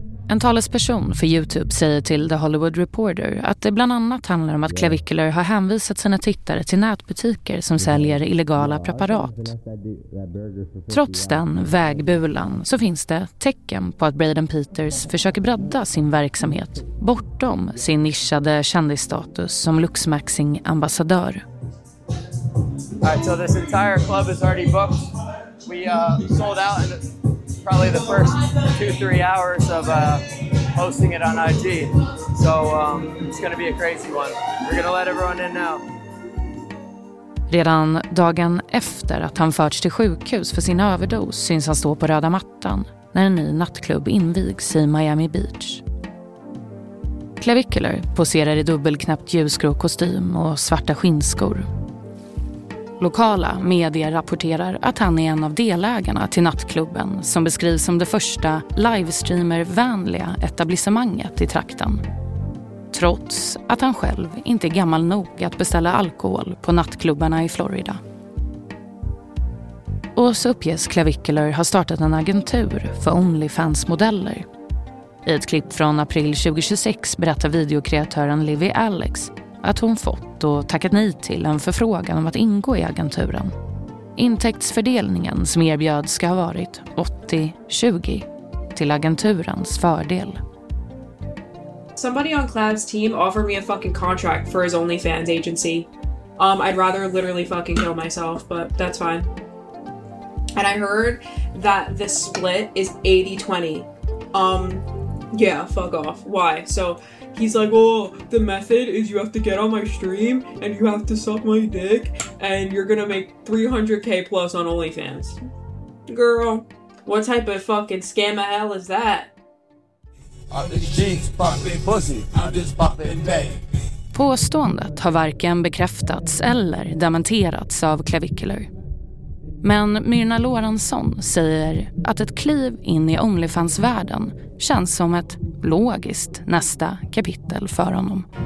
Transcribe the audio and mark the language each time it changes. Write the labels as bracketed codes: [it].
[sv] En talesperson för YouTube säger till The Hollywood Reporter att det bland annat handlar om att Clavicular har hänvisat sina tittare till nätbutiker som säljer illegala preparat. Trots den vägbulan så finns det tecken på att Braden Peters försöker bredda sin verksamhet bortom sin nischade kändisstatus som luxmaxing-ambassadör. [en] Alright, so this entire club is already booked. We sold out and probably the first 2-3 hours of posting it on IG. So it's going to be a crazy one. We're going to let everyone in now. [sv] Redan dagen efter att han förts till sjukhus för sin överdos syns han stå på röda mattan när en ny nattklubb invigs i Miami Beach. Clavicular poserar i dubbelknäppt ljusgrå kostym och svarta skinnskor. Lokala medier rapporterar att han är en av delägarna till nattklubben som beskrivs som det första livestreamervänliga etablissemanget i trakten. Trots att han själv inte är gammal nog att beställa alkohol på nattklubbarna i Florida. Och så uppges Klavikuler har startat en agentur för OnlyFans-modeller. I ett klipp från april 2026 berättar videokreatören Livy Alex att hon fått och tackat nej till en förfrågan om att ingå i agenturen. Intäktsfördelningen som erbjöd ska ha varit 80-20 till agenturens fördel. [en] Somebody on Clav's team offered me a fucking contract for his OnlyFans agency. I'd rather literally fucking kill myself, but that's fine. And I heard that the split is 80-20. Yeah, fuck off. Why? So he's like, oh, the method is you have to get on my stream and you have to suck my dick and you're gonna make 300k plus on OnlyFans. Girl, what type of fucking scam of hell is that? [sv] Påståendet har varken bekräftats eller dementerats av Klavikuler. Men Myrna Lorentzon säger att ett kliv in i OnlyFans-världen känns som ett logiskt nästa kapitel för honom.